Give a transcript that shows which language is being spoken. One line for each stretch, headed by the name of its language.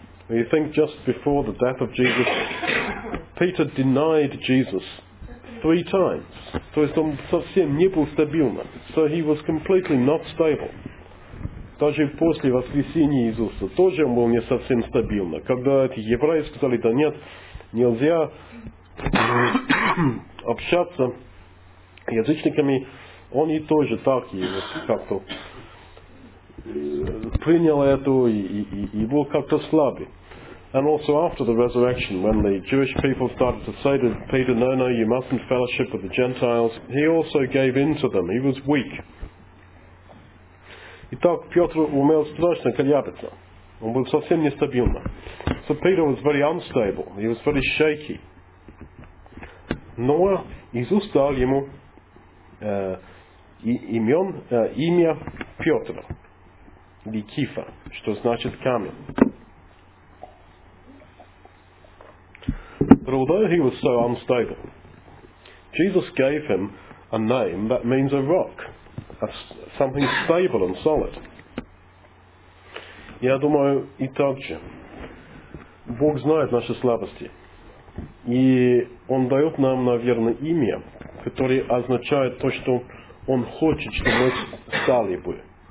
English: You think just before the death of Jesus, Peter denied Jesus three times.
Russian: То есть он совсем не был стабильным.
English: So he was completely not stable.
Russian: Даже после воскресения Иисуса тоже он был не совсем стабильным. Когда эти евреи сказали, да нет, нельзя общаться с язычниками, он и тоже так как-то принял эту и был как-то слабый.
English: And also after the resurrection, when the Jewish people started to say to Peter, no, no, you mustn't fellowship with the Gentiles, he also gave in to them. He was weak.
Russian: Итак, Петр умел страшно колебаться. Он был совсем нестабильно.
English: So Peter was very unstable. He was very shaky.
Russian: Но Иисус дал ему имя Петр. Или Кифа, что значит камень.
English: But although he was so unstable, Jesus gave him a name that means a rock, something stable and solid.
Russian: Я думаю, и также, Бог знает наши слабости. И Он дает нам, наверное, имя, которое означает то, что Он хочет, чтобы мы стали бы.